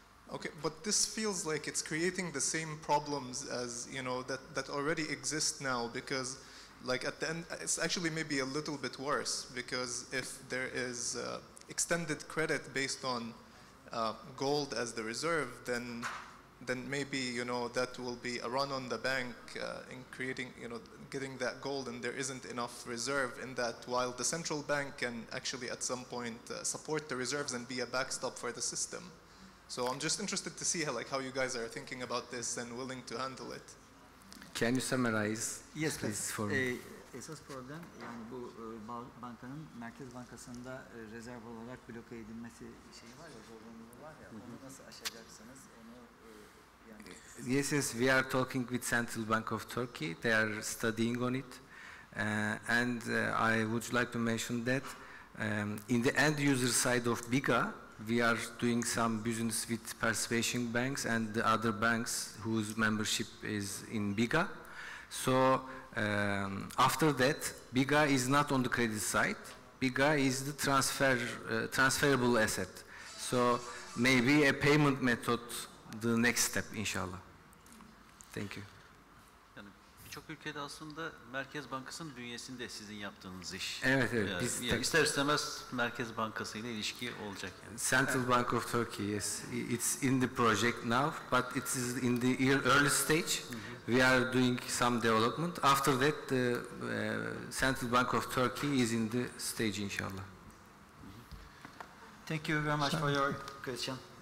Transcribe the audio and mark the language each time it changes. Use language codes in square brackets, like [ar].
[en] Okay, but this feels like it's creating the same problems as, that already exist now, because, at the end, it's actually maybe a little bit worse, because if there is extended credit based on gold as the reserve, then maybe, that will be a run on the bank in creating, getting that gold, and there isn't enough reserve in that, while the central bank can actually at some point support the reserves and be a backstop for the system. So I'm just interested to see how you guys are thinking about this and willing to handle it. Can you summarize? Yes, please. For [tr] esas problem bu bankanın Merkez Bankası'nda rezerv olarak bloke edilmesi şeyi var ya, zorunluluğu var ya, onu nasıl aşacaksınız? [en] Yes, we are talking with Central Bank of Turkey. They are studying on it. And I would like to mention that in the end user side of BGA, we are doing some business with participation banks and the other banks whose membership is in BGA. So after that, Biga is not on the credit side. Biga is the transferable asset. So maybe a payment method, the next step, inshallah. Thank you. [tr] Çok ülkede aslında Merkez Bankası'nın bünyesinde sizin yaptığınız iş. Evet, evet. Biz yani ister istemez Merkez Bankası ile ilişki olacak yani. [en] Central Bank of Turkey, yes. It's in the project now, but it is in the early stage. We are doing some development. After that, the Central Bank of Turkey is in the stage, inshallah. Thank you very much for your question.